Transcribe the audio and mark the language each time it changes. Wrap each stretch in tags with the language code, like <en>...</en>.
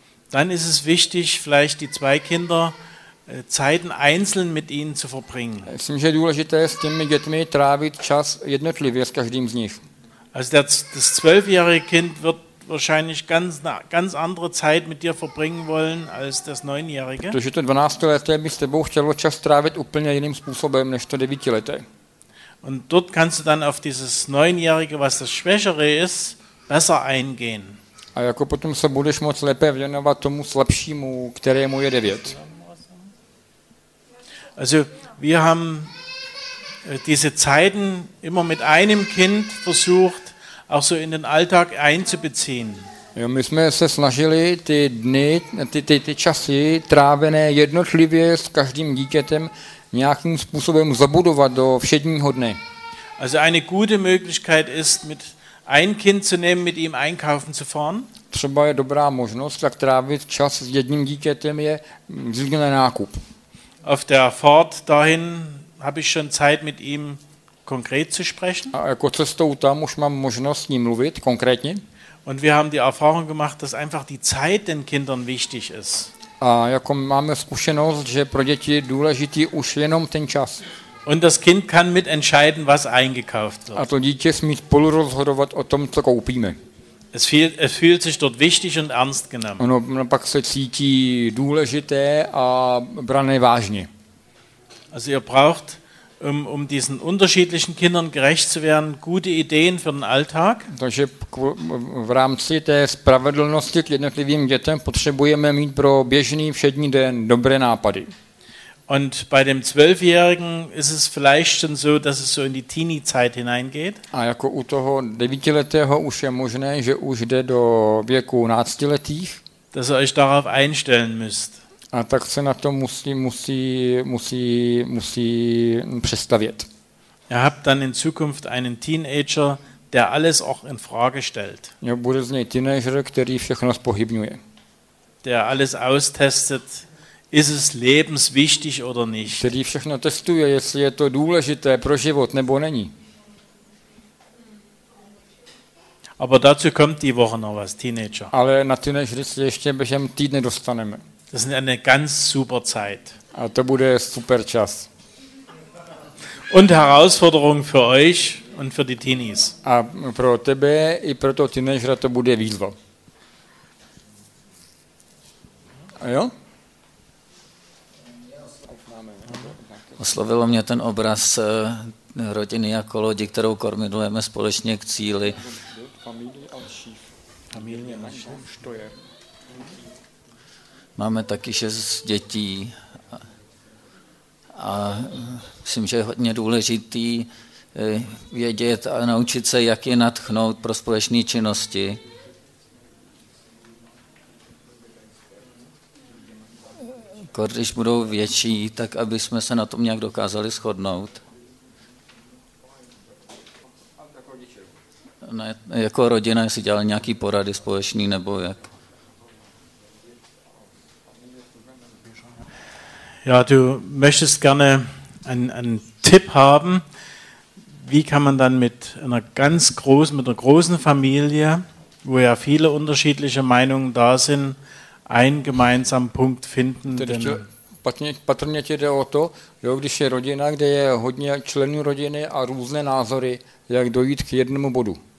<de>Dann ist es wichtig, vielleicht die zwei Kinder Zeiten einzeln mit ihnen zu verbringen.</de> <cs>Myslím, že je důležité s těmi dětmi trávit čas jednotlivě s každým z nich.</cs> <de>Also das zwölfjährige Kind wird wahrscheinlich ganz andere Zeit mit dir verbringen wollen als das Neunjährige.</de> <cs>Protože to 12leté by s tebou chtělo čas trávit úplně jiným způsobem než to 9leté.</cs> <de>Und dort kannst du dann auf dieses Neunjährige, was das Schwächere ist, besser eingehen.</de> <cs>A jako potom se budeš moc lépe věnovat tomu slabšímu, kterému je 9.</cs> <de>Also, wir haben diese Zeiten immer mit einem Kind versucht, auch so in den Alltag einzubeziehen.</de> <cs>Jo, my jsme se snažili ty dny, ty časy trávené jednotlivě s každým dítětem nějakým způsobem zabudovat do všedního dne.</cs> <de>Also eine gute Möglichkeit ist, mit ein Kind zu nehmen, mit ihm einkaufen zu fahren.</de> <cs>Třeba je dobrá možnost, jak trávit čas s jedním dítětem, je vzít na nákup.</cs> <de>Auf der Fahrt dahin habe ich schon Zeit, mit ihm konkret zu sprechen.</de> <cs>A jako cestou tam už mám možnost s ním mluvit konkrétně.</cs> <de>Und wir haben die Erfahrung gemacht, dass einfach die Zeit den Kindern wichtig ist.</de> <cs>A jako máme zkušenost, že pro děti je důležitý už jenom ten čas.</cs> <de>Und das Kind kann mitentscheiden, was eingekauft wird.</de> <cs>A to dítě smí spolu rozhodovat o tom, co koupíme.</cs> <de>Es fühlt sich dort wichtig und ernst genommen.</de> <cs>Ono pak se cítí důležité a brané vážně.</cs> <de>Also ihr braucht, um diesen unterschiedlichen Kindern gerecht zu werden, gute Ideen für den Alltag.</de> <cs>Takže v rámci té spravedlnosti k jednotlivým dětem potřebujeme mít pro běžný všední den dobré nápady.</cs> <de>Und bei dem 12-Jährigen ist es vielleicht schon so, dass es so in die Teenie-Zeit hineingeht.</de> <cs>A jako u toho 9letého už je možné, že už jde do věku 11letých.</cs> <de>Dass ihr euch darauf einstellen müsst.</de> <cs>A tak se na to musí přestavět.</cs> <de>Ihr habt dann in Zukunft einen Teenager, der alles auch in Frage stellt.</de> <cs>Jo, bude z něj teenager, který všechno zpochybňuje.</cs> <de>Der alles austestet. Ist es lebenswichtig oder nicht?</de> <cs>Který všechno testuje, jestli je to důležité pro život nebo není.</cs> <de>Aber dazu kommt die Woche noch was, Teenager.</de> <cs>Ale na teenagery se ještě během týdne dostaneme.</cs> <de>Das ist eine ganz super Zeit.</de> <cs>A to bude super čas.</cs> <de>Und Herausforderung für euch und für die Teenies.</de> <cs>A pro tebe i pro toho teenagera to bude výzva. A jo? Oslovilo mě ten obraz rodiny jako lodi, kterou kormidlujeme společně k cíli. Máme taky 6 dětí a myslím, že je hodně důležitý vědět a naučit se, jak je natchnout pro společné činnosti. Když budou větší, tak aby jsme se na tom nějak dokázali shodnout. Ne, jako rodina, jestli dělali nějaký porady společný, nebo jak?</cs> <de>Ja, du möchtest gerne einen Tipp haben, wie kann man dann mit einer ganz großen, mit einer großen Familie, wo ja viele unterschiedliche Meinungen da sind, ein gemeinsamen Punkt finden.</de> <cs>Patrně ti jde o to, jo, když je rodina, kde je hodně členů rodiny a různé názory, jak dojít k jednomu bodu.</cs>